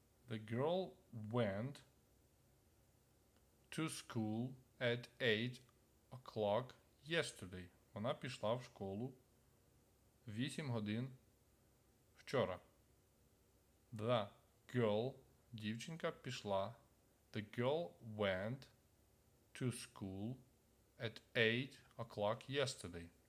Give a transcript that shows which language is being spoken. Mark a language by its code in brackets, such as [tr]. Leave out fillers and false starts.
[en] The girl went to school at 8 o'clock yesterday. [uk] Вона пішла в школу 8 годин вчора. [en] The girl, [uk] дівчинка пішла. [en] The girl went to school at 8 o'clock yesterday.